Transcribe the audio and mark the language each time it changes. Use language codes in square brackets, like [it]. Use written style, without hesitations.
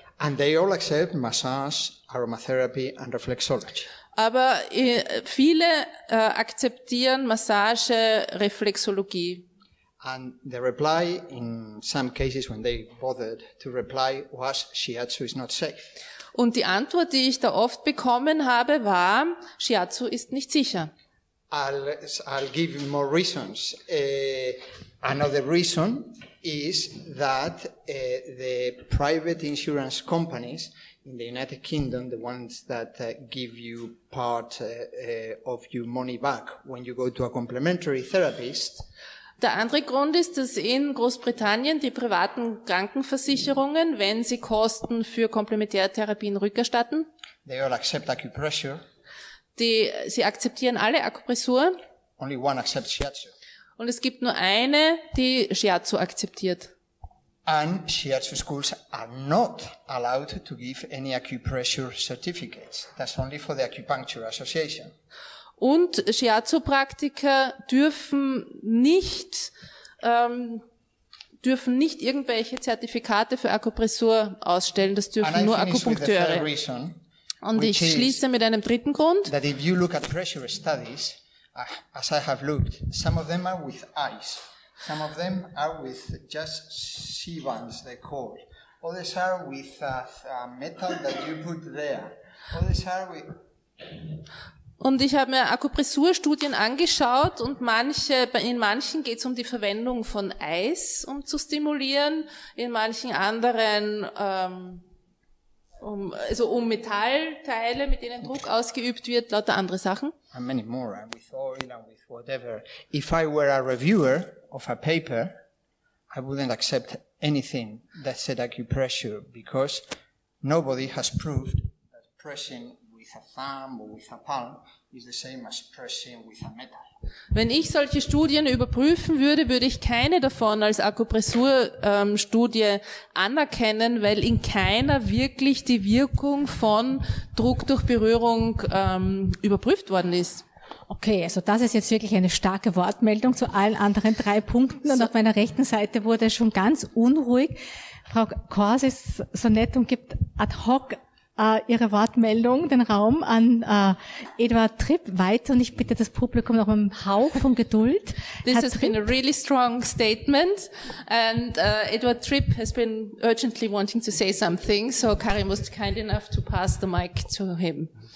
[en] And they all accept massage, aromatherapy and reflexology. [de] Aber viele akzeptieren Massage, Reflexologie. [en] And the reply in some cases when they bothered to reply was Shiatsu is not safe. [de] Und die Antwort, die ich da oft bekommen habe, war Shiatsu ist nicht sicher. [en] I'll give you more reasons. Another reason is that the private insurance companies in the United Kingdom, the ones that give you part of your money back when you go to a complementary therapist. [de] Der andere Grund ist, dass in Großbritannien die privaten Krankenversicherungen, wenn sie Kosten für Komplementärtherapien rückerstatten, [en] they all accept acupressure. [de] Sie akzeptieren alle Akupressur. [en] Only one accepts shiatsu. [de] Und es gibt nur eine, die Shiatsu akzeptiert. [en] And Shiatsu schools are not allowed to give any acupressure certificates. That's only for the Acupuncture Association. [de] Und Shiatsu-Praktiker dürfen nicht irgendwelche Zertifikate für Akupressur ausstellen. Das dürfen nur Akupunkteure. Und ich schließe mit einem dritten Grund. [en] That if you look at pressure studies, as I have looked, some of them are with ice. Some of them are with just C-bands, they call. Others are with metal that you put there. Others are with... [de] Und ich habe mir Akupressurstudien angeschaut und in manchen geht es um die Verwendung von Eis, um zu stimulieren, in manchen anderen um Metallteile, mit denen Druck ausgeübt wird, lauter andere Sachen. [en] And many more, with oil and with whatever. If I were a reviewer of a paper, I wouldn't accept anything that said acupressure, because nobody has proved that pressing with a thumb or with a palm is the same as pressing with a metal. [de] Wenn ich solche Studien überprüfen würde, würde ich keine davon als Akupressurstudie anerkennen, weil in keiner wirklich die Wirkung von Druck durch Berührung überprüft worden ist. Okay, also das ist jetzt wirklich eine starke Wortmeldung zu allen anderen drei Punkten. Und auf meiner rechten Seite wurde schon ganz unruhig. Frau Kors ist so nett und gibt ad hoc Ihre Wortmeldung, den Raum an Eduard Tripp weiter, und ich bitte das Publikum noch mal einen Hauch von Geduld. [en] This has been a really strong statement, and Eduard Tripp has been urgently wanting to say something, so Karim was kind enough to pass the mic to him.